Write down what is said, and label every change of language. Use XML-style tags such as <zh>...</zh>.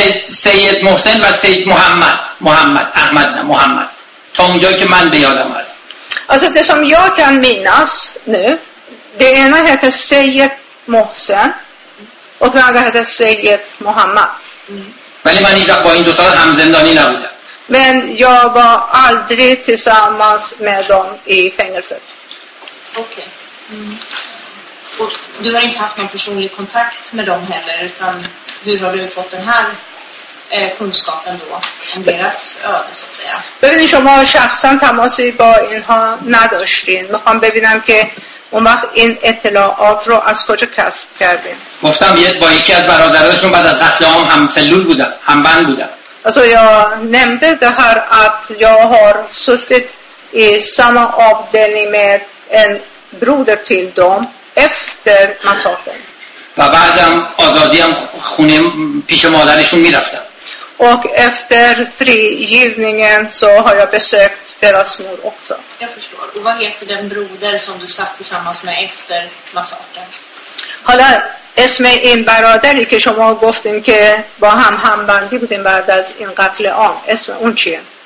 <fa>سید محسن و سید محمد احمد نه محمد تا اونجایی که من به یادم هست.</fa> <sv>Alltså det som jag kan minnas nu, det ena heter Sayyid Mohsen och den andra heter Sayyid Muhammad.</sv> <fa>ولی من اینجا با این دوتا هم زندانی نبودم.</fa> <sv>Men jag var aldrig tillsammans med dem i fängelset. Okej. Och du har inte haft någon personlig kontakt med dem heller, utan hur har du fått den här kunskapen då om deras öde så att säga? Ni</sv> <fa>شما شخصا تماسی با اینها نداشتین. میخوام ببینم که اون وقت این اطلاعات رو از کجا کسب کردین. گفتم با یکی از برادرانشون بعد از قتل عام هم سلول بودن، هم بند بودن.</fa> <sv>Alltså jag nämnde det här att jag har suttit i samma avdelning med en broder till dem efter massakern.</sv> <fa>و بعدم آزادیم خونه پیش مادرشون میرفتم. و</fa> <sv>efter frigivningen så har jag besökt deras mor också. Jag förstår. Och vad heter den broder som du satt tillsammans med efter massakern?</sv> <fa>حالا اسم این برادری که شما گفتین که با هم همبندی بودین بعد از این قتل عام، اسم اون چیه؟</fa>